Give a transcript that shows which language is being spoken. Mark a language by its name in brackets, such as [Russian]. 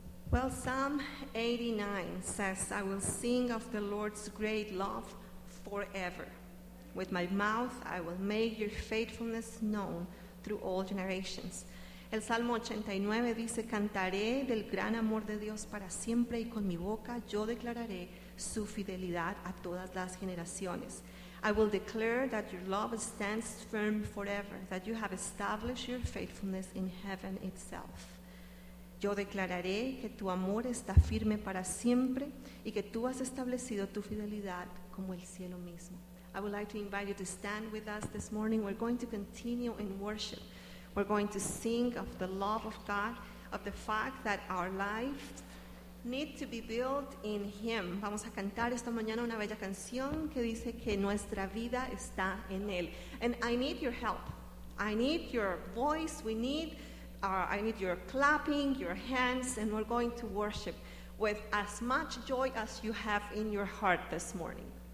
[English] Well, Psalm 89 says, I will sing of the Lord's great love forever. With my mouth, I will make your faithfulness known through all generations. [Spanish] El Salmo 89 dice, cantaré del gran amor de Dios para siempre y con mi boca yo declararé su fidelidad a todas las generaciones. [English] I will declare that your love stands firm forever, that you have established your faithfulness in heaven itself. [Spanish] Yo declararé que tu amor está firme para siempre y que tú has establecido tu fidelidad como el cielo mismo. [English] I would like to invite you to stand with us this morning. We're going to continue in worship. We're going to sing of the love of God, of the fact that our lives need to be built in him. [Spanish] Vamos a cantar esta mañana una bella canción que dice que nuestra vida está en él. [English] And I need your help. I need your voice. I need your clapping, your hands, and we're going to worship with as much joy as you have in your heart this morning.